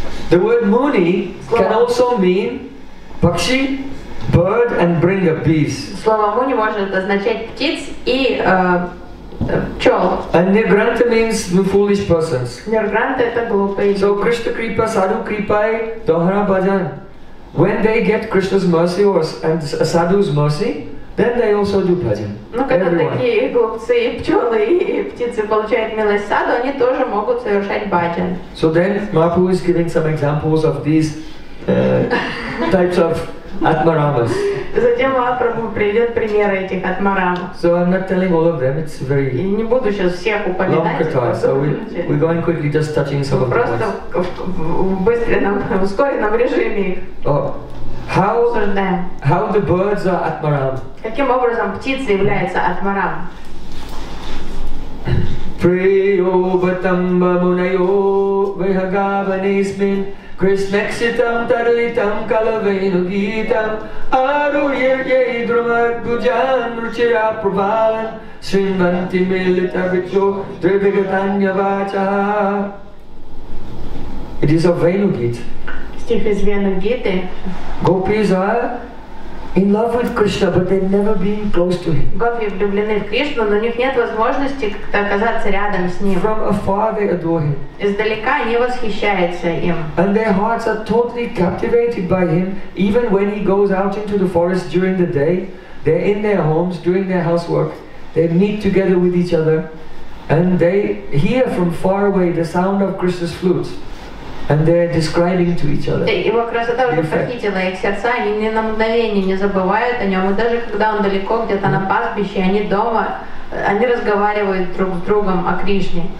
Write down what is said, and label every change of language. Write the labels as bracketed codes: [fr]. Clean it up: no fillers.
[en] The word Muni can also mean pakshi, bird and bringa, bees. [ru] Слово Муни может означать птиц и [en] And Nirgranta means the foolish persons. [ru] Nirgranta – это глупый. [sa] So Krishna Kripa, Sadhu Kripa, Dohara Bhajan. [en] When they get Krishna's mercy or and Sadhu's mercy, then they also do bhajan. [ru] Ну, когда такие глупцы, пчелы и птицы получают милость Саду, они тоже могут совершать бхаджан. [en] So then Mahaprabhu is giving some examples of these types of Атмарамас. [ru] Затем Махапрабху приведет примеры этих атмарам. [en] So I'm not telling all of them. It's very. [ru] И не буду сейчас всех упоминать. [en] Long katha. So we're going quickly, just touching some of [ru] просто [en] them. [ru] Просто в быстром, ускоренном режиме. [en] Oh, how? [ru] Обсуждаем. [en] How the birds are атмарам? [ru] Каким образом птицы являются атмарам? [sa] Priyo batamba munayo vihagavanismin. Krishnaksitam tarlitam kalavenu gitam aruyayay drumar bujan ruchira prabhavan srimanti milita vichyo tribhigatanya vacha. [en] It is a Venu Gita. Stich is Venu Gita. Gopis are in love with Krishna, but they've never been close to him. [ru] Гопи влюблены в Кришну, но у них нет возможности как-то оказаться рядом с ним. [en] From afar they adore him. [ru] Издалека они восхищаются им. [en] And their hearts are totally captivated by him, even when he goes out into the forest during the day. They're in their homes doing their housework. They meet together with each other, and they hear from far away the sound of Krishna's flute. And they're describing to each other. [ru] Его красота уже похитила их сердца, они ни на мгновение не забывают о нем. И даже когда он далеко, где-то на пастбище, они дома, они разговаривают друг с другом о Кришне.